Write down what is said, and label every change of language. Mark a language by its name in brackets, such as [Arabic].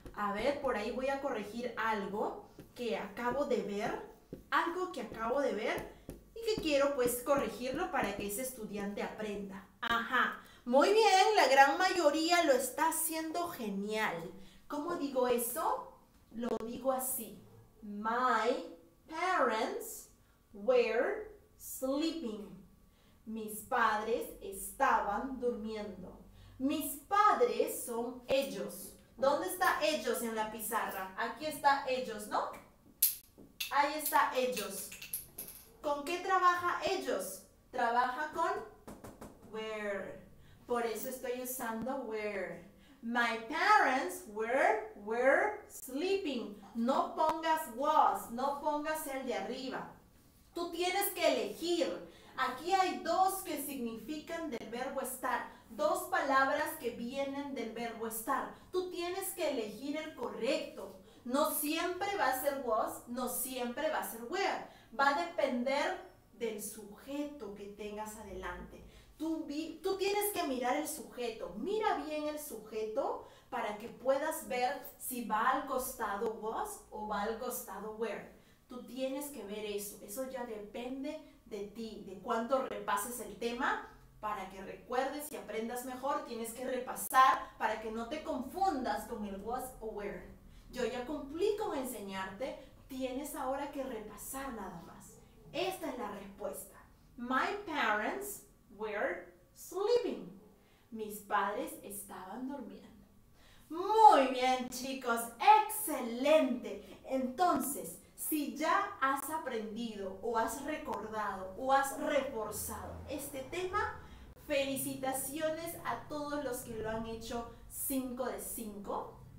[Spanish] A ver, por ahí voy a corregir algo que acabo de ver. Algo que acabo de ver y que quiero pues corregirlo para que ese estudiante aprenda. ¡Ajá! Muy bien, la gran mayoría lo está haciendo genial. ¿Cómo digo eso? Lo digo así. [English] My parents were sleeping. [Spanish] Mis padres estaban durmiendo. Mis padres son ellos. ¿Dónde está ellos en la pizarra? Aquí está ellos, ¿no? Ahí está ellos. ¿Con qué trabaja ellos? Trabaja con were. Por eso estoy usando were. [English] My parents were sleeping. [Spanish] No pongas was, no pongas el de arriba. Tú tienes que elegir. Aquí hay dos que significan del verbo estar. Dos palabras que vienen del verbo estar. Tú tienes que elegir el correcto. No siempre va a ser was, no siempre va a ser were. Va a depender del sujeto que tengas adelante. Tú tienes que mirar el sujeto. Mira bien el sujeto para que puedas ver si va al costado was o va al costado were. Tú tienes que ver eso. Eso ya depende de ti, de cuánto repases el tema. Para que recuerdes y aprendas mejor, tienes que repasar para que no te confundas con el was o were. Yo ya cumplí con enseñarte. Tienes ahora que repasar nada más. Esta es la respuesta. [English] My parents were sleeping. [Spanish] Mis padres estaban durmiendo. Muy bien, chicos. ¡Excelente! Entonces, si ya has aprendido o has recordado o has reforzado este tema, felicitaciones a todos los que lo han hecho 5 de 5.